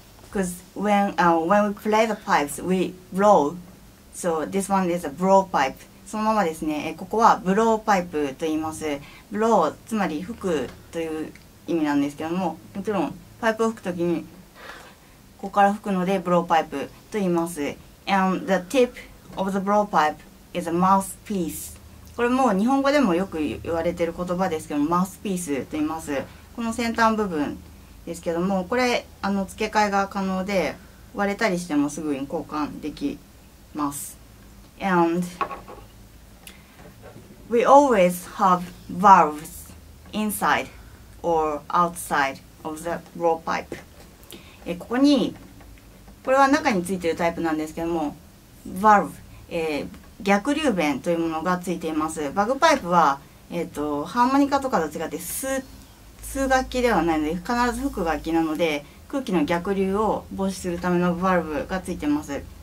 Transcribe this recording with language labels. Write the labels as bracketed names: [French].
[English] Because when we play the pipes, we blow. So this one is a blow pipe. [Japanese] そのままですね。ここはブロウパイプと言います。ブロウ、つまり吹くという意味なんですけども、もちろんパイプを吹くときにここから吹くのでブロウパイプと言います。 [English] And the tip of the blow pipe is a mouthpiece. [Japanese] これも日本語でもよく言われている言葉ですけども、mouthpiece と言います。この先端部分ですけども、これ付け替えが可能で、割れたりしてもすぐに交換できます。 [English] And we always have valves inside or outside of the raw pipe。 [Japanese] ここに、これは中についているタイプなんですけども、 valve、逆流弁というものがついています。バグパイプは、ハーモニカとかと違って数楽器ではないので、必ず吹く楽器なので、空気の逆流を防止するためのバルブがついてます。